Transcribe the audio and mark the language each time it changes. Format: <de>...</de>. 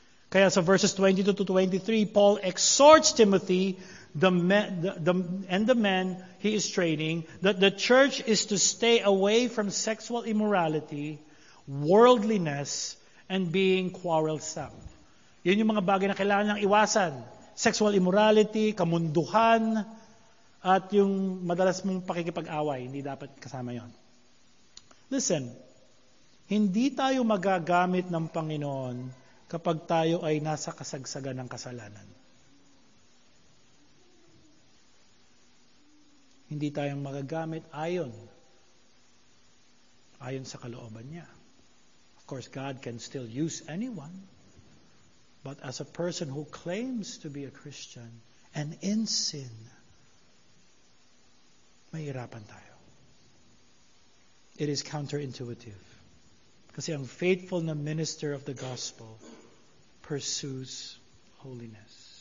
<tl>Kaya sa</tl> <en>verses 22 to 23, Paul exhorts Timothy and the men he is training that the church is to stay away from sexual immorality, worldliness, and being quarrelsome.</en> <tl>Yun yung mga bagay na kailangan niyang iwasan. Sexual immorality, kamunduhan, at yung madalas mong pakikipag-away, hindi dapat kasama yon.</tl> <en>Listen,</en> <tl>hindi tayo magagamit ng Panginoon kapag tayo ay nasa kasagsagan ng kasalanan. Hindi tayo magagamit ayon sa kalooban niya.</tl> <en>Of course, God can still use anyone. But as a person who claims to be a Christian and in sin,</en> <tl>mahirapan tayo.</tl> <en>it is counterintuitive.</en> <tl>Kasi ang</tl> <en>faithful na minister of the gospel pursues holiness.</en>